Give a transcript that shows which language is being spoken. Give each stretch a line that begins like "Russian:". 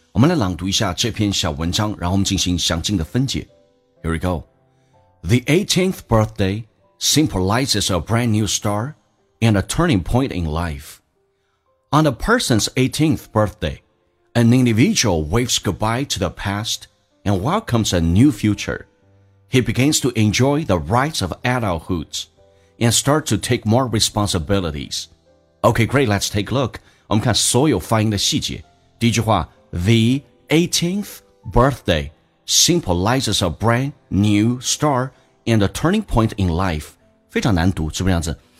Chinese: 我们来朗读一下这篇小文章，然后我们进行详尽的分解。
English: Here we go. The 18th birthday symbolizes a brand new start and a turning point in life. On a person's 18th birthday, an individual waves goodbye to the past and welcomes a new future. He begins to enjoy the rights of adulthood and start to take more responsibilitiesOkay, great, let's take a look.
Chinese: 我们看所有发音的细节。第一句话
English: The 18th birthday symbolizes a brand new start and a turning point in life.
Chinese: 非常难读，是不是这样子？